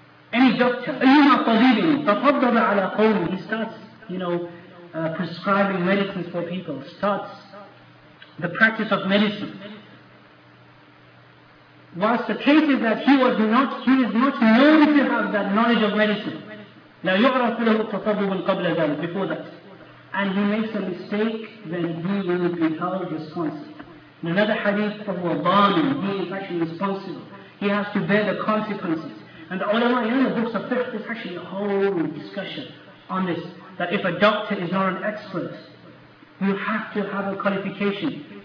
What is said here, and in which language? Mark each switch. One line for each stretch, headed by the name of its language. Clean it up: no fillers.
English: Any doctor,
Arabic: أَيُّمَا طَبِيبٍ تَطَبَّبَ عَلَى قَوْمٍ,
English: he starts, prescribing medicines for people, starts the practice of medicine. Whilst the case is that he is not known to have that knowledge of medicine.
Arabic: لَا يُعْرَفُ لَهُ تَطَبِّبٌ قَبْلَ ذَلِكَ,
English: before that. And he makes a mistake, then he will be held responsible. In another hadith of Wadamin, he is actually responsible. He has to bear the consequences. And the ulama in the books of fiqh, there's actually a whole discussion on this. That if a doctor is not an expert, you have to have a qualification.